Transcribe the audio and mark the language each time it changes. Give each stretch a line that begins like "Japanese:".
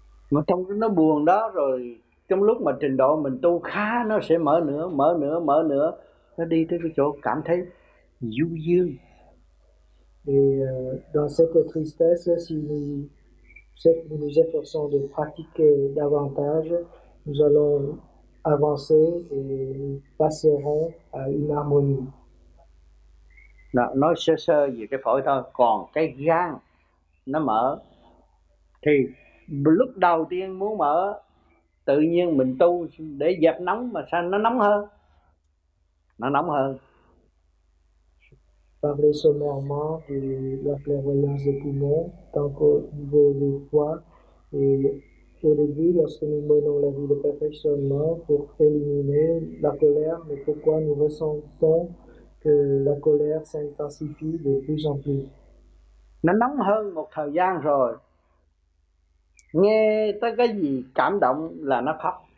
Vietnamese: Mà trong cái nó buồn đó rồi, trong lúc mà trình độ mình tu khá, nó sẽ mở nữa, mở nữa, mở nữa. Nó đi tới cái chỗ cảm thấy du dương.
French: Et dans cette tristesse, si nous efforçons de pratiquer davantage, nous allons avancer et passerons à une harmonie.
Vietnamese: Đó, nói sơ sơ về cái phổi thôi, còn cái gan nó mở thì lúc đầu tiên muốn mở tự nhiên mình tu để dập nóng, mà sao nó nóng hơn, nó nóng hơn.
French: Parler sommairement de la clairvoyance des poumons, tant qu'au niveau du foie, et au début, lorsque nous menons la vie de perfectionnement pour éliminer la colère, mais pourquoi nous ressentons que la colère s'intensifie de plus en plus?
Vietnamese: Nó nóng hơn một thời gian rồi, nghe tới cái gì cảm động là nó khóc.